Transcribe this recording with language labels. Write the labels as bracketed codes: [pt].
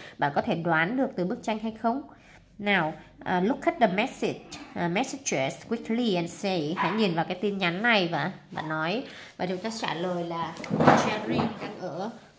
[vi] Bạn có thể đoán được từ bức tranh hay không? [en] Now, look at the messages quickly and say. [vi] Hãy nhìn vào cái tin nhắn này và bạn nói. Và chúng ta trả lời là Cherry đang ở.